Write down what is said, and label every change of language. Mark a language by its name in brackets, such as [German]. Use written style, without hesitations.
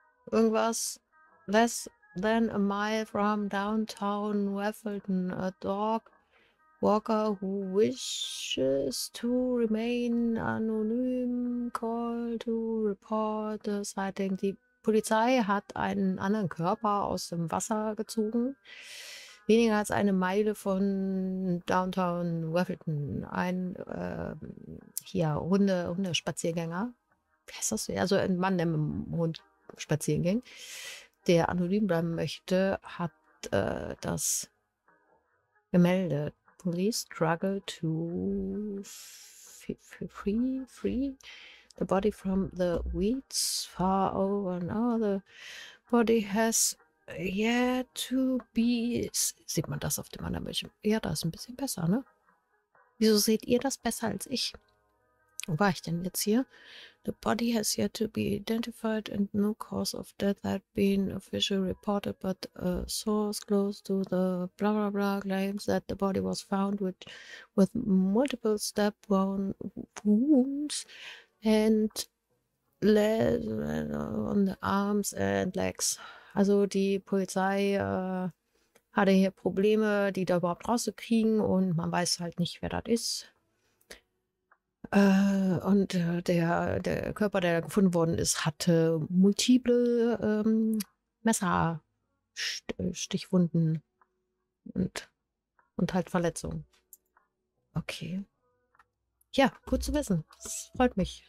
[German] Irgendwas [English] less than a mile from downtown Waffleton. A dog walker who wishes to remain anonym called to report the sighting. [German] Die Polizei hat einen anderen Körper aus dem Wasser gezogen. Weniger als eine Meile von Downtown Waffleton. Ein hier Hundespaziergänger. Wer ist das? Also ein Mann, der mit dem Hund spazieren ging, der anonym bleiben möchte, hat das gemeldet. [English] Police struggle to free the body from the weeds far over. Now the body has yeah, to be. [German] Sieht man das auf dem anderen Bildschirm? Ja, das ist ein bisschen besser, ne? Wieso seht ihr das besser als ich? Wo war ich denn jetzt hier? [English] The body has yet to be identified and no cause of death had been officially reported, but a source close to the blah blah blah claims that the body was found with multiple stab wounds and on the arms and legs. [German] Also die Polizei hatte hier Probleme, die da überhaupt rauszukriegen und man weiß halt nicht, wer das ist. Und der Körper, der da gefunden worden ist, hatte multiple Messerstichwunden und halt Verletzungen. Okay. Ja, gut zu wissen. Das freut mich.